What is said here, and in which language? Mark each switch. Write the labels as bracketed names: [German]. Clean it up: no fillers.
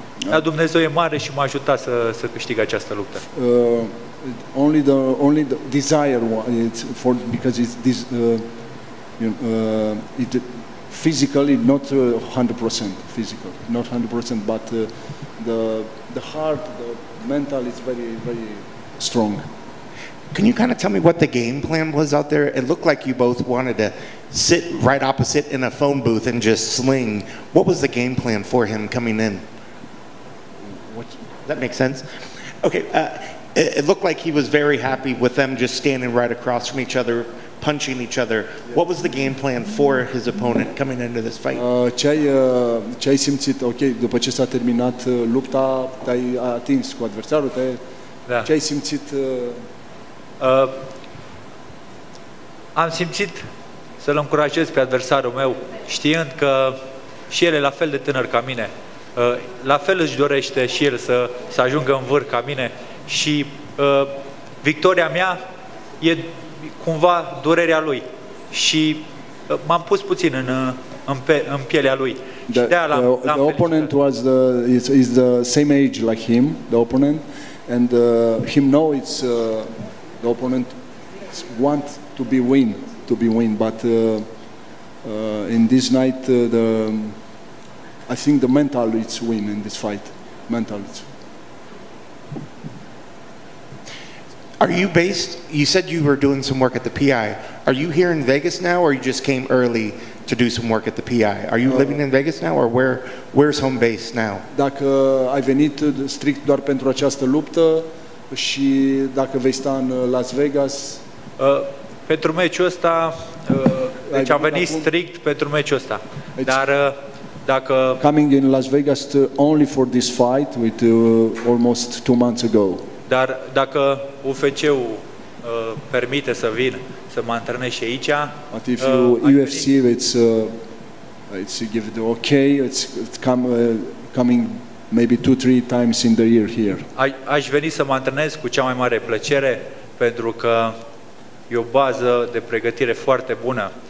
[Romanian] Dar Dumnezeu e mare și m-a ajutat să câștig această luptă. [English] Only the desire it's for because it's this it physically not 100% physical, not 100% but the the heart, the mental is very, very strong. Can you kind of tell me what the game plan was out there? It looked like you both wanted to sit right opposite in a phone booth and just sling. What was the game plan for him coming in? That makes sense. Okay, it looked like he was very happy with them just standing right across from each other, punching each other. Yeah. What was the game plan for his opponent coming into this fight? [Romanian] Ce ai simțit, ok, după ce s-a terminat lupta, te-ai atins cu adversarul, te-ai, da. Ce ai simțit? Am simțit să-l încurajez pe adversarul meu, știind că și el e la fel de tânăr ca mine. La fel își dorește și el să ajungă în vârf ca mine și victoria mea e cumva durerea lui și m-am pus puțin în pielea lui. [English] The opponent was is the same age like him, the opponent, and him know it's the opponent want to be win, but in this night the I think the mental is win in this fight. Mental. Are you based? You said you were doing some work at the PI. Are you here in Vegas now, or you just came early to do some work at the PI? Are you living in Vegas now, or where's home base now? [Romanian] Dacă ai venit strict doar pentru această luptă și dacă vei sta în Las Vegas. Pentru meciul ăsta, deci am venit strict pentru meciul ăsta. Dar dacă [English] coming in Las Vegas only for this fight with almost 2 months ago. [Romanian] Dar dacă UFC-ul permite să vin să mă antrenez aici, [English] but if UFC it's give the okay, it's coming maybe 2-3 times in the year here. [Romanian] Aș veni să mă antrenez cu cea mai mare plăcere pentru că e o bază de pregătire foarte bună.